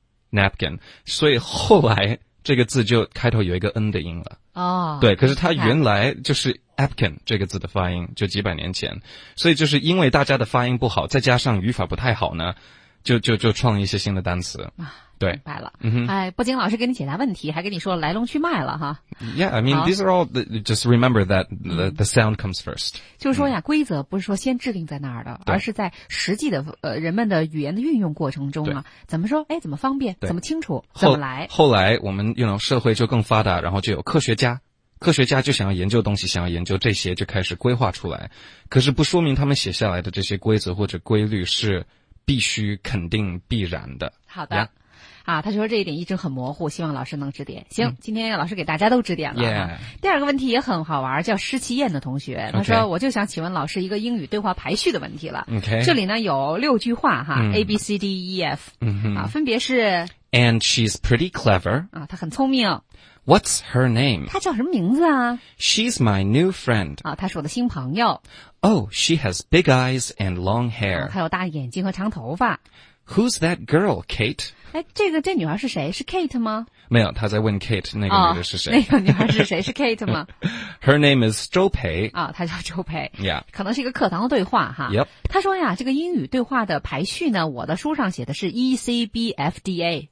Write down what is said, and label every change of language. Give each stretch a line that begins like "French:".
Chinese: napkin， 所以后来这个字就开头有一个 n 的音了。哦，对，可是它原来就是 apkin 这个字的发音，就几百年前，所以就是因为大家的发音不好，再加上语法不太好呢，就创一些新的单词。对，明白了。嗯哼，哎，不仅老师给你解答问题，还跟你说来龙去脉了哈。
English: Yeah, I mean these are all the, just remember that the sound comes first。
Chinese: 就是说呀，规则不是说先制定在那儿的，而是在实际的人们的语言的运用过程中啊，怎么说？哎，怎么方便？怎么清楚？怎么来？后来我们用了社会就更发达，然后就有科学家就想要研究东西，想要研究这些，就开始规划出来。可是不说明他们写下来的这些规则或者规律是必须肯定必然的。好的。Yeah? 啊，他说这一点一直很模糊，希望老师能指点。行，今天老师给大家都指点了。
English: Yeah.
Chinese: 第二个问题也很好玩，叫施其燕的同学，他说、
English: okay.
Chinese: 我就想请问老师一个英语对话排序的问题了。
English: Okay.
Chinese: 这里呢有六句话哈、A B C D E F、嗯、啊，分别是
English: And she's pretty clever
Chinese: 啊，她很聪明。
English: What's her name?
Chinese: 她叫什么名字啊
English: ？She's my new friend.
Chinese: 啊，她是我的新朋友。
English: Oh, she has big eyes and long hair.、
Chinese: 啊、她有大眼睛和长头发。
English: Who's that girl, Kate?
Chinese: 哎，这女孩是谁？是 Kate 吗？没有，她在问 Kate 那个女的是谁、哦。那个女孩是谁？是 Kate 吗
English: ？Her name is 周培。
Chinese: 啊、哦，她叫周培。
English: Yeah.
Chinese: 可能是一个课堂的对话哈。
English: Yep.
Chinese: 她说呀，这个英语对话的排序呢，我的书上写的是 E C B F D A。